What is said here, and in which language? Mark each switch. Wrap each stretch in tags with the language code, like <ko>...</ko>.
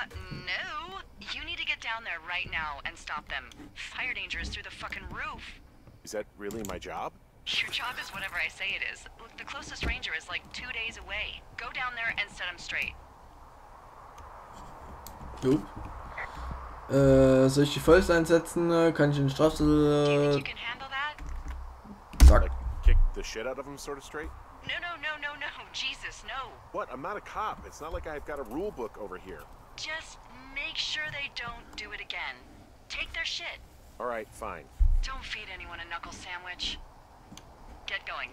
<en>No. You need to get down there right now and stop them. Fire danger is through the fucking roof. Is that really my job? Your job is whatever I say it is. Look, the closest ranger is like 2 days away. Go down there and set him straight. Nope.</en> <de>Soll ich die Fäuste einsetzen? Kann ich den Strafzettel...</de> <en>Do you think you can handle that? Sorry. Like, kick the shit out of him sort of straight? No. Jesus, no. What? I'm not a cop. It's not like I've got a rule book over here. Just... Make sure they don't do it again. Take their shit. All right, fine. Don't feed anyone a knuckle sandwich. Get going.</en>